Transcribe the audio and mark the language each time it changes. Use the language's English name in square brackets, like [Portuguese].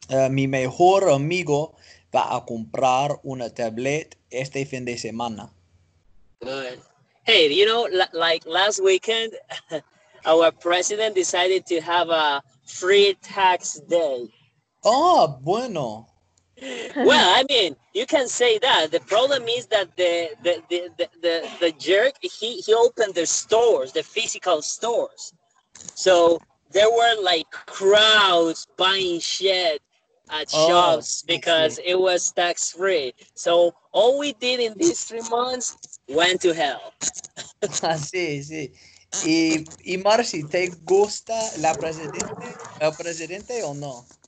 [Spanish] Mi mejor amigo va a comprar una tablet este fin de semana. [English] Good. Hey, you know, like last weekend, our president decided to have a free tax day. [Spanish] Oh, bueno. [English] Well, I mean, you can say that. The problem is that the jerk, he opened the stores, the physical stores. So there were like crowds buying shit at shops because it was tax free. So all we did in these 3 months went to hell. [Spanish] Sí. Y Marcy, ¿te gusta la presidente, el presidente o no?